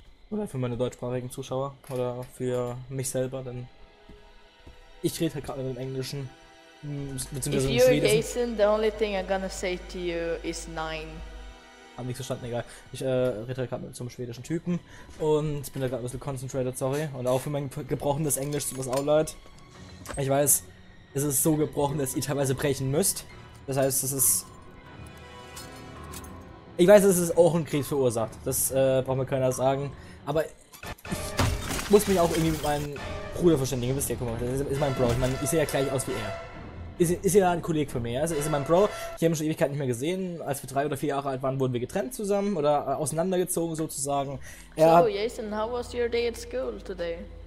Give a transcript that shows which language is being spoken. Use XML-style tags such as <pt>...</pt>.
<de>Oder für meine deutschsprachigen Zuschauer oder für mich selber, denn ich rede halt gerade im Englischen.</de> <en>If you're Jason, the only thing I'm gonna say to you is</en> <de>nein. Hab nichts verstanden, egal. Ich rede halt gerade mit so einem schwedischen Typen und bin da gerade ein bisschen</de> <en>concentrated,</en> <de>sorry. Und auch für mein gebrochenes Englisch, tut mir auch leid. Ich weiß, es ist so gebrochen, dass ihr teilweise brechen müsst. Das heißt, es ist. Ich weiß, dass es auch einen Krieg verursacht. Das braucht mir keiner sagen. Aber ich muss mich auch irgendwie mit meinem Bruder verständigen. Wisst ihr, guck mal, das ist mein Bro. Ich meine, ich sehe ja gleich aus wie er. Ist ja ein Kollege von mir, ja? Ist mein Bro. Ich habe ihn schon Ewigkeit nicht mehr gesehen. Als wir 3 oder 4 Jahre alt waren, wurden wir getrennt zusammen oder auseinandergezogen sozusagen. Er so,</de> <en>Jason, how was your day at school today?</en>